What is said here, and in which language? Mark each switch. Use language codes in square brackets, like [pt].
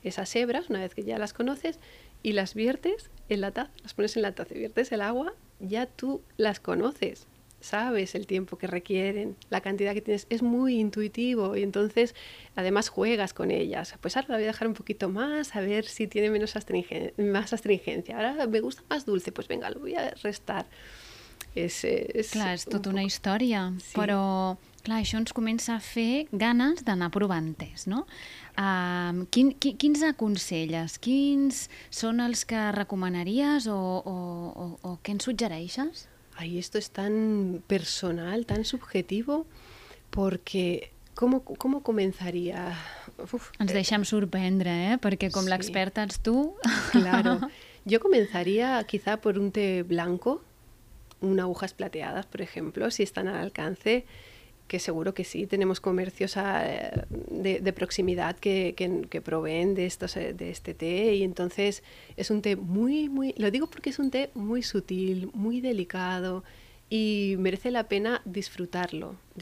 [es] Esas hebras, una vez que ya las conoces y las viertes en la taza, las pones en la taza y viertes el agua, ya tú las conoces, sabes el tiempo que requieren, la cantidad que tienes, es muy intuitivo y entonces además juegas con ellas. Pues ahora la voy a dejar un poquito más, a ver si tiene menos más astringencia. Ahora me gusta más dulce, pues venga, lo voy a restar. [ca] És clar, és tota una història, sí. Però clar, això ens comença a fer ganes d'anar provant tés, no? Quins aconselles? Quins són els que recomanaries o què ens suggereixes? [es] Ay, esto es tan personal, tan subjetivo, porque ¿cómo comenzaría? [ca] Ens deixem sorprendre, perquè com sí. l'experta ets tu... [es] Claro, yo comenzaría quizá por un té blanco, un agujas plateadas, por ejemplo, si están al alcance, que seguro que sí, tenemos comercios de proximidad que proveen de este té, y entonces es un té muy, muy, lo digo porque es un té muy sutil, muy delicado, y merece la pena disfrutarlo